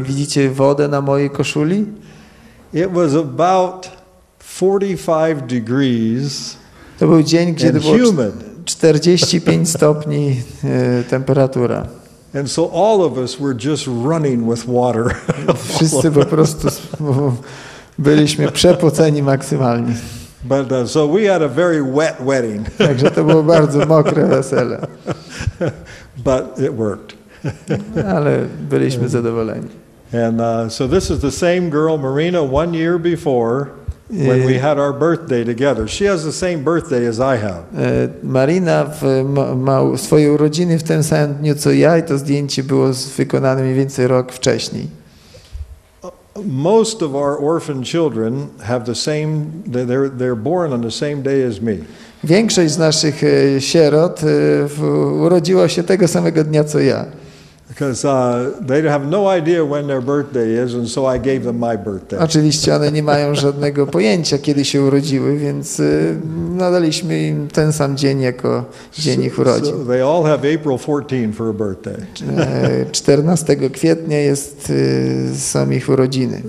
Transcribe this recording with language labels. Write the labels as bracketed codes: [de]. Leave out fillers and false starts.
[pl] Widzicie wodę na mojej koszuli? [en] It was about 45 degrees. [pl] To był dzień, gdzie było 45 stopni temperatura. [en] And so all of us were just running with water. [pl] Wszyscy po prostu byliśmy przepoceni maksymalnie. [en] But so we had a very wet wedding. [pl] Także to było bardzo mokre wesele. [en] But it worked. [pl] Ale byliśmy zadowoleni. [en] And so this is the same girl, Marina, 1 year before when we had our birthday together. She has the same birthday as I have. [pl] Marina ma swoje urodziny w tym samym dniu co ja, i to zdjęcie było wykonane mniej więcej rok wcześniej. [en] Most of our orphan children have the same, they're born on the same day as me. [pl] Większość z naszych sierot urodziła się tego samego dnia co ja. [en] Because they have no idea when their birthday is, and so I gave them my birthday. [pl] Oczywiście one nie mają żadnego pojęcia, kiedy się urodziły, więc nadaliśmy im ten sam dzień jako dzień ich urodzin. [en] So they all have April 14 for a birthday. [pl] 14 kwietnia jest są ich urodziny.